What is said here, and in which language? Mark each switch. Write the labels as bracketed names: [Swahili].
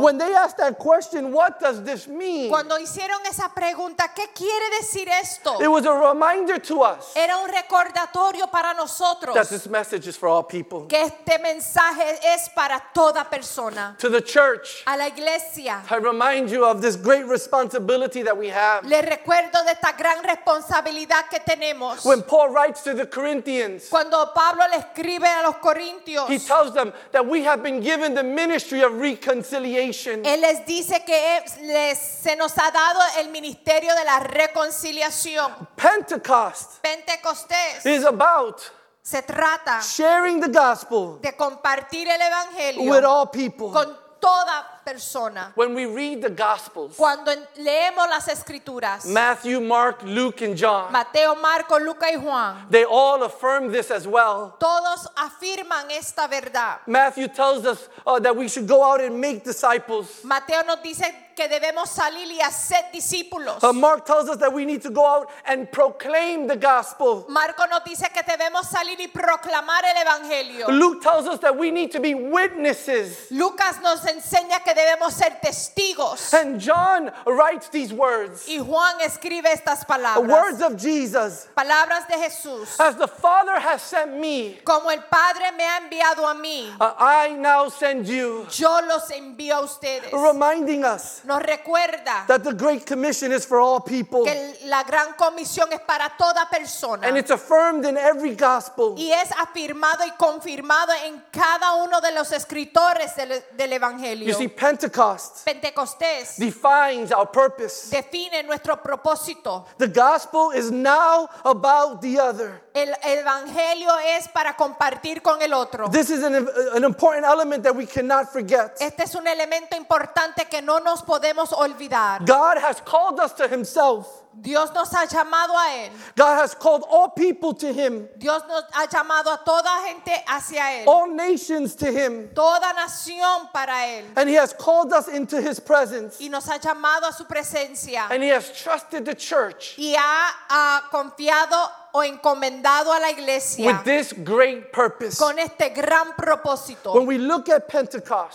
[English] When they asked that question, what does this mean? [Spanish] Cuando hicieron esa pregunta, ¿qué quiere decir esto? [English] It was a reminder to us. [Spanish] Era un recordatorio para nosotros. [English] That this message is for all people. [Spanish] Que este mensaje es para toda persona. [English] To the church, [Spanish] a la iglesia, [English] I remind you of this great responsibility that we have. [Spanish] Le recuerdo de esta gran responsabilidad que tenemos. [English] When Paul writes to the Corinthians. [Spanish] Cuando Pablo le escribe a los corintios, [English] he tells them that we have been given the ministry of reconciliation. [Spanish] Él les dice que se nos ha dado el ministerio de la reconciliación. [English] Pentecost. [Spanish] Pentecostés. [English] Is about. [Spanish] Se trata. [English] Sharing the gospel. [Spanish] De compartir el evangelio. [English] With all people. [Spanish] Con toda persona. [English] When we read the Gospels, [Spanish] cuando leemos las escrituras, [English] Matthew, Mark, Luke, and John, [Spanish] Mateo, Marco, Luca, y Juan, [English] they all affirm this as well. [Spanish] Todos afirman esta verdad. [English] Matthew tells us that we should go out and make disciples. [Spanish] Mateo nos dice que debemos salir y hacer discípulos. [English] Mark tells us that we need to go out and proclaim the gospel. [Spanish] Marco nos dice que debemos salir y proclamar el evangelio. [English] Luke tells us that we need to be witnesses. [Spanish] Lucas nos enseña que debemos ser testigos. [English] And John writes these words. [Spanish] Y Juan escribe estas palabras. [English] Words of Jesus. [Spanish] Palabras de Jesús. [English] As the Father has sent me. [Spanish] Como el Padre me ha enviado a mí. [English] I now send you. [Spanish] Yo los envío a ustedes. [English] Reminding us. [Spanish] Nos recuerda. [English] That the great commission is for all people. [Spanish] Que la gran comisión es para toda persona. [English] And it's affirmed in every gospel. [Spanish] Y es afirmado y confirmado en cada uno de los escritores del evangelio. [English] You see, Pentecost. [Spanish] Pentecostés. [English] Defines our purpose. [Spanish] Define nuestro propósito. [English] The gospel is now about the other. [Spanish] El evangelio es para compartir con el otro. [English] This is an important element that we cannot forget. [Spanish] Este es un elemento importante que no nos podemos olvidar. [English] God has called us to himself. [Spanish] Dios nos ha llamado a él. [English] God has called all people to him. [Spanish] Dios nos ha llamado a toda gente hacia él. [English] All nations to him. [Spanish] Toda nación para él. [English] And he has called us into his presence. [Spanish] Y nos ha llamado a su presencia. [English] And he has trusted the church. [Spanish] Y ha confiado o encomendado a la iglesia. [English] With this great purpose. [Spanish] Con este gran propósito. [English] When we look at Pentecost.